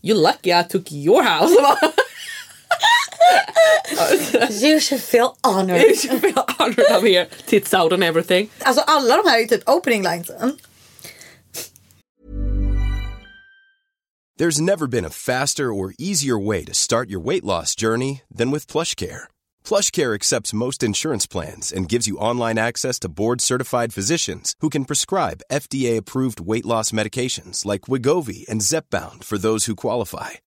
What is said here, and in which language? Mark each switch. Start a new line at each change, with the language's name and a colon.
English: You lucky I took your house. You should feel honored. You should feel honored of here. Tits out and everything.
Swedish: Alltså alla de här är typ opening lines.
English: There's never been a faster or easier way to start your weight loss journey than with PlushCare. PlushCare accepts most insurance plans and gives you online access to board-certified physicians who can prescribe FDA-approved weight loss medications like Wegovy and Zepbound for those who qualify.